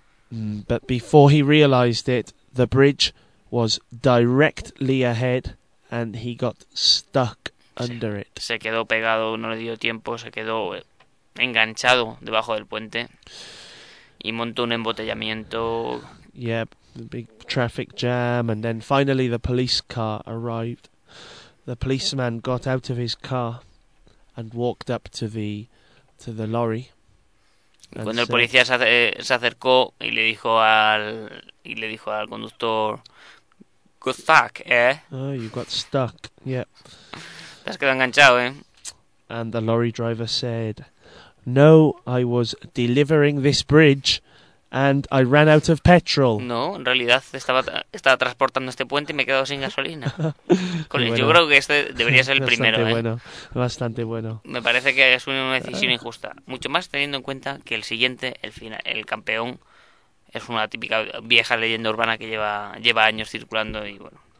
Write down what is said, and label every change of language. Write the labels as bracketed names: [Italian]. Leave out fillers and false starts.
[English] But before he realized it, the bridge was directly ahead and he got stuck under it. [Spanish] Se quedó pegado, no le dio tiempo, se quedó enganchado debajo del puente y montó un embotellamiento. [English] Yep, the big traffic jam, and then finally the police car arrived. The policeman got out of his car and walked up to the lorry. [Spanish] Cuando el policía se acercó y le dijo al conductor, [English] "Good fuck, eh?" Oh, you got stuck. Yep. [Spanish] Te has quedado enganchado, eh? [English] And the lorry driver said, "No, I was delivering this bridge and I ran out of petrol." [Spanish] No, en realidad estaba transportando este puente y me he quedado sin gasolina. Bueno. Yo creo que este debería ser el bastante primero, ¿eh? Bueno, bastante bueno. Me parece que es una decisión injusta. Mucho más teniendo en cuenta que el siguiente, el final, el campeón, es una típica vieja leyenda urbana que lleva años circulando y bueno.